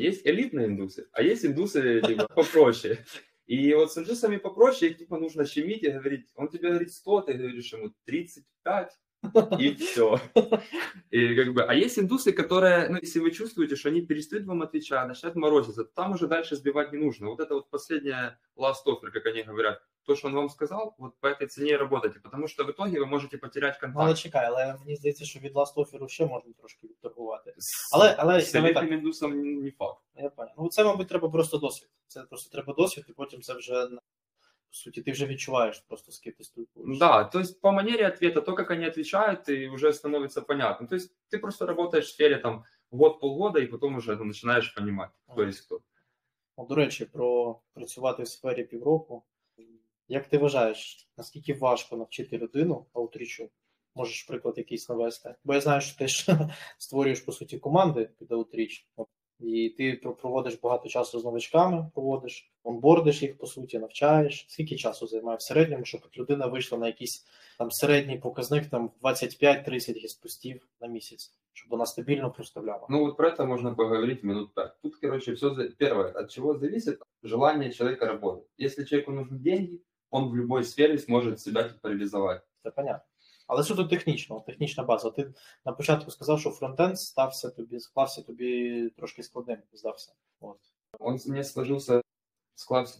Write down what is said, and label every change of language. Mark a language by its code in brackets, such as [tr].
[ru] Есть элитные индусы, а есть индусы типа попроще. И вот с индусами попроще, их типа нужно щемить и говорить. Он тебе говорит 100, ты говоришь ему 35, и все. И как бы, а есть индусы, которые, ну, если вы чувствуете, что они перестают вам отвечать, начинают морозиться, то там уже дальше сбивать не нужно. Вот это вот последняя last offer, как они говорят. [uk] То, що він вам сказав, от по цій ціні працюйте, тому що в итоге ви можете потеряти контакт. Але чекай, але мені здається, що від last offer ще можна трошки відторгувати. Але з цим індусом не факт. Я понятно. Ну це, мабуть, треба просто досвід. Це просто треба досвід, і потім це вже по суті, ти вже відчуваєш просто, з ким ти спілкуєшся. Да, тобто по манері відповіді, то, як вони відповідають, і вже становиться понятно. Тобто ти просто працюєш в сфері там год-півгода, і потім вже починаєш розуміти, хто є хто. Ну, до речі, про працювати в сфері півроку. Як ти вважаєш, наскільки важко навчити людину аутрічу? Можеш приклад якийсь навести? Бо я знаю, що ти ж створюєш, по суті, команди під Outreach, і ти проводиш багато часу з новичками, проводиш, онбордиш їх, по суті, навчаєш. Скільки часу займає в середньому, щоб людина вийшла на якийсь там середній показник, там 25-30 гіст-постів на місяць, щоб вона стабільно проставляла? [ru] Ну вот про это можно поговорить минут так. Тут, короче, все первое, от чего зависит желание человека работать. Если человеку нужны деньги, он в любой сфере сможет себя тут реализовать. [uk] Це понятно. Але суто технічно, технічна база. Ти на початку сказав, що фронтенд стався тобі, склався тобі трошки складним, здався. От. [ru] Он мне сложился, склався.